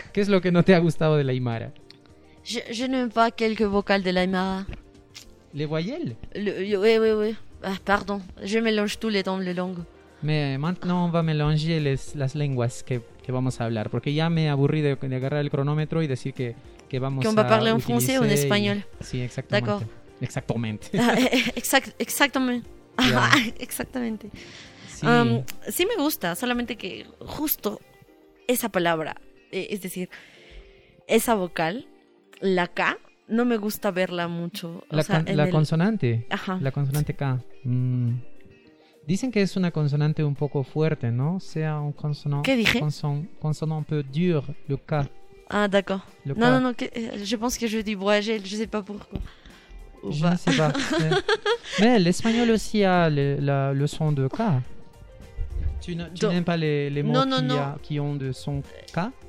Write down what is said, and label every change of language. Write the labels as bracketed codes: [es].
[es] ¿Qué es lo que no te ha gustado de la aymara? [fr] Je n'aime pas quelques vocales de la aymara. ¿Les voyelles? Oui. Ah, pardon, je mélange tous les temps les langues. Mais maintenant, on va mélanger [es] las lenguas que vamos a hablar, porque ya me aburrí de agarrar el cronómetro y decir que vamos [fr] que on va a parler en français ou en espagnol. [es] Sí, exactamente. [fr] D'accord. [es] Exactamente. Exactamente. Sí. Sí me gusta, solamente que justo esa palabra, es decir, esa vocal, la K, no me gusta verla mucho. Consonante. Ajá. La consonante K. Dicen que es una consonante un poco fuerte, ¿no? O sea, un consonante... ¿Qué dije? [fr] Consonante un peu dur, le K. Ah, d'accord. No, je pense que je dis voyager, je sais pas pourquoi. Je ne sais pas. Mais l'espagnol aussi a le son de K. Tu n'aimes pas les mots qui ont de son K?